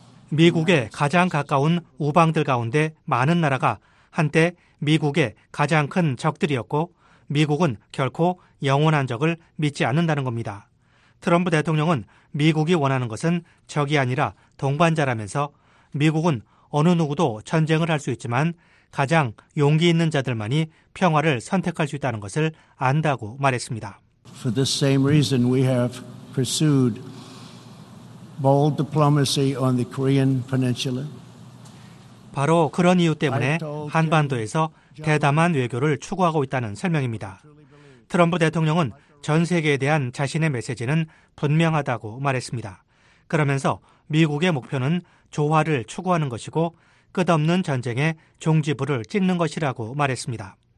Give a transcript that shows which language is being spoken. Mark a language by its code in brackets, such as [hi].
[ko] 미국의 가장 가까운 우방들 가운데 많은 나라가 한때 미국의 가장 큰 적들이었고 미국은 결코 영원한 적을 믿지 않는다는 겁니다. 트럼프 대통령은 미국이 원하는 것은 적이 아니라 동반자라면서 미국은 어느 누구도 전쟁을 할 수 있지만 가장 용기 있는 자들만이 평화를 선택할 수 있다는 것을 안다고 말했습니다. [en] For this same reason we have pursued bold diplomacy on the Korean Peninsula. [ko] 바로 그런 이유 때문에 한반도에서 대담한 외교를 추구하고 있다는 설명입니다. 트럼프 대통령은 전 세계에 대한 자신의 메시지는 분명하다고 말했습니다. 그러면서 미국의 목표는 조화를 추구하는 것이고 끝없는 전쟁에 종지부를 찍는 것이라고 말했습니다.